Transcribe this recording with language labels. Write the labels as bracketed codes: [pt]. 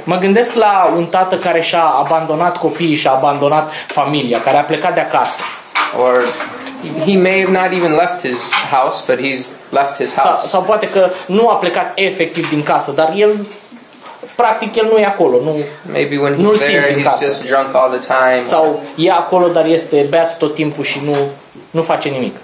[ro] Mă gândesc la un tată care și-a abandonat copiii și a abandonat familia, care a plecat de acasă. [en] Or he may have not even left his house, but he's left his house. [ro] Sau poate că nu a plecat efectiv din casă, dar el practic el nu e acolo, nu. [en] Maybe when he's there, he's just drunk all the time. [ro] Sau e acolo, dar este beat tot timpul și nu face nimic.